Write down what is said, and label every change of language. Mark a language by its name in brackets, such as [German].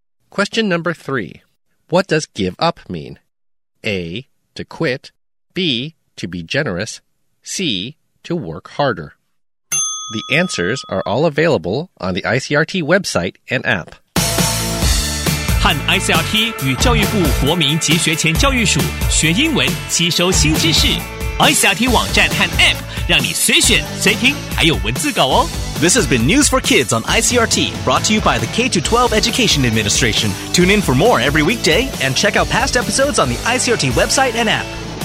[English] Question number three. What does give up mean? A. To quit. B. To be generous. C. To work harder. The answers are all available on the ICRT website and app. [Chinese] 和 ICRT 与教育部国民及学前教育署学英文吸收新知识 ICRT 网站和 APP 让你随选随听，还有文字稿哦。 [English] This has been News for Kids on ICRT, brought to you by the K-12 Education Administration. Tune in for more every weekday and check out past episodes on the ICRT website and app.